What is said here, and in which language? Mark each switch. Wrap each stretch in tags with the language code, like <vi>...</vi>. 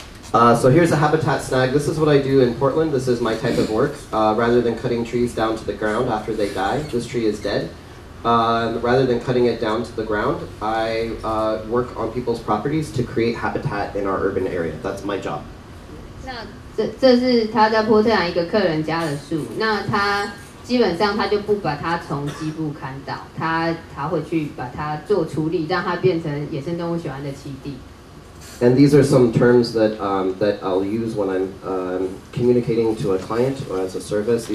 <en>So here's a habitat snag. This is what I do in Portland. This is my type of work. Rather than cutting trees down to the ground after they die, this tree is dead. Rather than cutting it down to the ground, I work on people's properties to create habitat in our urban area. That's my job.</en> <zh>那这是他在波特兰一个客人家的树。那他基本上他就不把它从基部砍倒，他会去把它做处理，让它变成野生动物喜欢的栖地。</zh> <en>And these are some terms that that I'll use when I'm communicating to a client or as a service.</en>